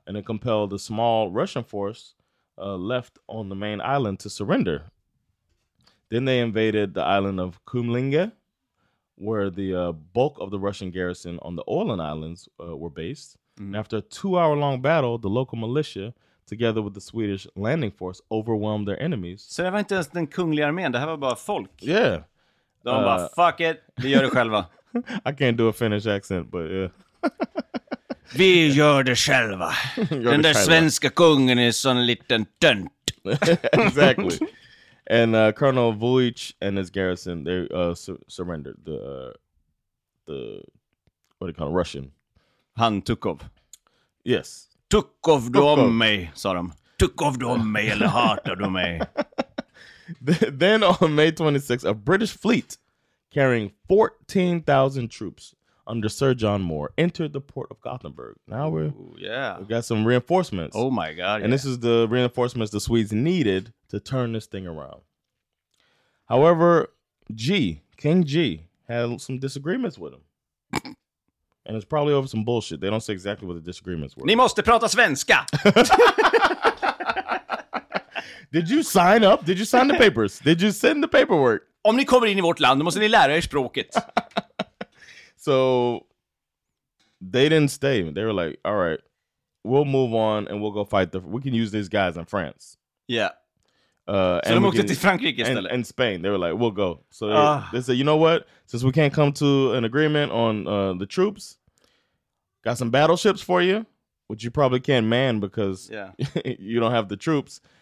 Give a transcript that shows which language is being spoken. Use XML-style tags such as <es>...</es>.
<en>And it compelled the small Russian force left on the main island to surrender. Then they invaded the island of Kumlinge, where the bulk of the Russian garrison on the Åland Islands were based. Mm. And after a two-hour-long battle, the local militia, together with the Swedish landing force, overwhelmed their enemies.</en> <sv>Så det var inte ens den kungliga armén, det här var bara folk.</sv> <en>Yeah.</en> <sv>De bara,</sv> <en>fuck it,</en> <sv>vi gör det själva.</sv> <en>I can't do a Finnish accent, but yeah.</en> <sv>Vi gör det själva. Den där svenska kungen är sån liten tönt.</sv> <en>Exactly. And Colonel Vujic and his garrison, they surrendered. The what do you call it, Russian?</en> <sv>Han Tukhov.</sv> <en>Yes.</en> <sv>Tukhov du om mig, sa de. Tukhov du om mig eller hatar du mig.</sv> <en>Then on May 26, a British fleet carrying 14,000 troops under Sir John Moore entered the port of Gothenburg. Now we got some reinforcements. Oh my God. And this is the reinforcements the Swedes needed to turn this thing around. However, King G had some disagreements with him. And it's probably over some bullshit. They don't say exactly what the disagreements were.</en> <sv>Ni måste prata svenska!</sv> <en>Did you sign up? Did you sign the papers? Did you send the paperwork?</en> <sv>Om ni kommer in i vårt land, då måste ni lära er språket.</sv> <en>So, they didn't stay. They were like, all right, we'll move on and we'll go fight. We can use these guys in France. Yeah. So they moved to Frankrike instead. And Spain. They were like, we'll go. So they said, you know what? Since we can't come to an agreement on the troops, got some battleships for you, which you probably can't man because you don't have the troops.</en>